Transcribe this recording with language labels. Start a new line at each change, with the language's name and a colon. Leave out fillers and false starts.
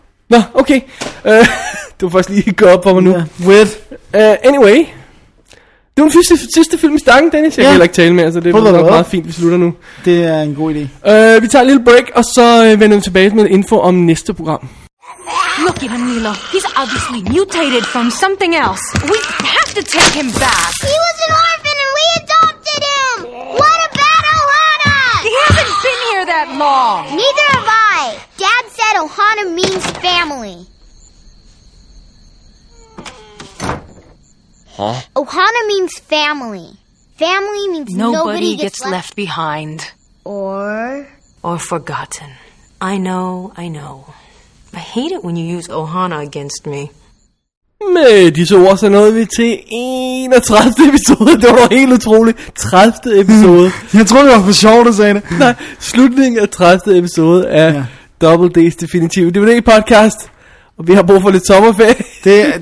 Danish: Nå, okay. Du var faktisk lige gået op på mig nu.
English: Yeah. With. Anyway.
Danish: Det var den sidste film i stangen, Dennis. Jeg kan heller ikke tale mere, så det er nok meget fint, vi slutter nu. Det er en god idé. Vi tager en lille break, og så vender vi tilbage med info om næste program.
English: Look at him, Lilo. He's obviously mutated from something else. We have to take him back. He was an orphan and we adopted him. What about Ohana? He hasn't been here that long. Neither have I. Dad said Ohana means family. Huh? Ohana means family. Family means nobody gets left behind. Or forgotten. I know. I hate it when you use Ohana against me.
Danish: Med disse ord, så nåede vi til 31. episode. Det var helt utroligt. 30. episode. Jeg troede, det var for sjovt, du sagde det. Nej, slutningen af 30. episode af Double D's Definitive. Det var det podcast, og vi har brug for lidt sommerferie.